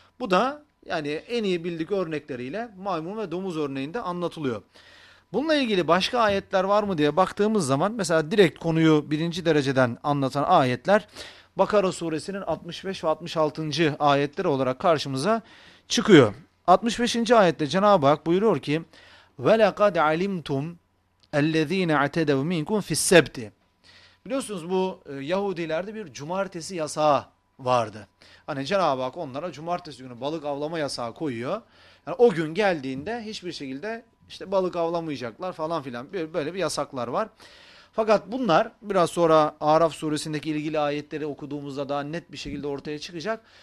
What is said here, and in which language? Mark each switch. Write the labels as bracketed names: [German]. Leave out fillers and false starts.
[Turkish] Bu da yani en iyi bildik örnekleriyle maymun ve domuz örneğinde anlatılıyor. Bununla ilgili başka ayetler var mı diye baktığımız zaman mesela direkt konuyu birinci dereceden anlatan ayetler Bakara suresinin 65 ve 66. ayetleri olarak karşımıza çıkıyor. 65. ayette Cenab-ı Hak buyuruyor ki [Arabic] وَلَقَدْ عَلِمْتُمْ اَلَّذ۪ينَ اَعْتَدَوْ مِنْكُمْ فِي السَّبْتِ. [Turkish] Biliyorsunuz bu Yahudilerde bir cumartesi yasağı vardı. Hani Cenab-ı Hak onlara cumartesi günü balık avlama yasağı koyuyor. Yani o gün geldiğinde hiçbir şekilde işte balık avlamayacaklar falan filan böyle bir yasaklar var. Fakat bunlar biraz sonra Araf suresindeki ilgili ayetleri okuduğumuzda daha net bir şekilde ortaya çıkacak.